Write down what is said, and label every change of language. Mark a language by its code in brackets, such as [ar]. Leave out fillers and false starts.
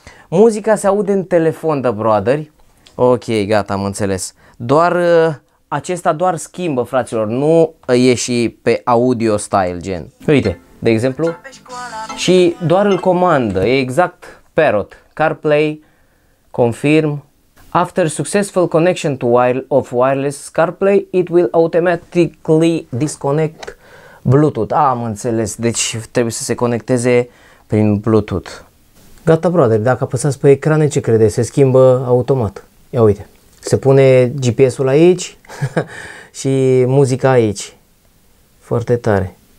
[ro] Muzica se aude în telefon de brother. Ok, gata, am înțeles. Doar acesta doar schimbă, fraților, nu e și pe audio style gen. Uite, de exemplu. Și doar îl comandă, e exact Parrot. CarPlay, confirm. [en] After successful connection to wireless CarPlay, it will automatically disconnect Bluetooth. [ro] Ah, am înțeles, deci trebuie să se conecteze prin Bluetooth. Gata, brother, dacă apăsați pe ecran, ce credeți? Se schimbă automat. Ia uite, se pune GPS-ul aici și muzica aici. Foarte tare.